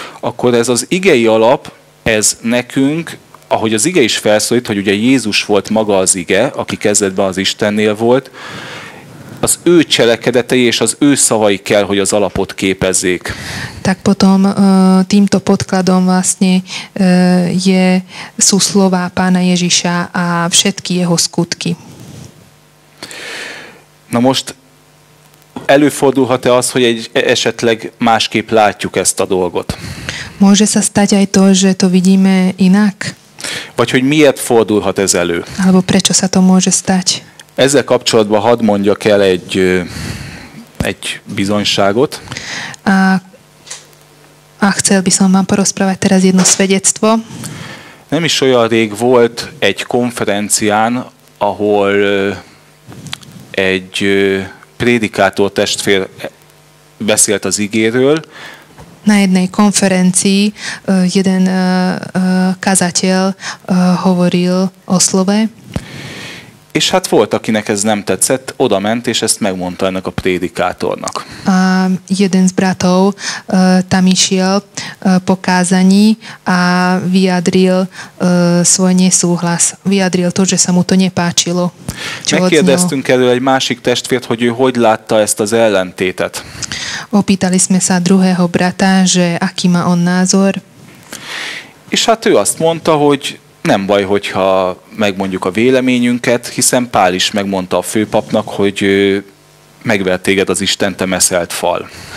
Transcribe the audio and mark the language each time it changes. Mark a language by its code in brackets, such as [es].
[hu] Akkor ez az igei alap, ez nekünk, ahogy az ige is felszólít, hogy ugye Jézus volt maga az ige, aki kezdetben az Istennél volt, az ő cselekedetei és az ő szavai kell, hogy az alapot képezzék. [sk] Tak potom týmto podkladom vlastne je sú slová pána Ježiša a všetky jeho skutky. [hu] Na most előfordulhat-e az, hogy egy esetleg másképp látjuk ezt a dolgot? [sk] Môže sa stať aj to, že to vidíme inak? [hu] Vagy hogy miért fordulhat ez elő? [sk] Alebo prečo sa to môže stať? [hu] Ezzel kapcsolatban hadd mondjak el egy bizonyságot. [sk] A chcel by som vám porozprávať teraz jedno svedectvo. [hu] Nem is olyan rég volt egy konferencián, ahol egy prédikátor testvér beszélt az igéről. [sk] Na jednej konferencii jeden kazateľ hovoril o slove. [hu] És hát volt, akinek ez nem tetszett, oda ment, és ezt megmondta ennek a prédikátornak. [sk] A jeden z bratov tam išiel po kázaní a vyjadril svoj nesúhlas. Vyjadril to, že sa mu to nepáčilo. [hu] Megkérdeztünk erről egy másik testvért, hogy ő hogy látta ezt az ellentétet. [sk] Opýtali sme sa druhého brata, že aký má on názor. [hu] És hát ő azt mondta, hogy nem baj, hogyha megmondjuk a véleményünket, hiszen Pál is megmondta a főpapnak, hogy megvert téged az Isten, te meszelt fal.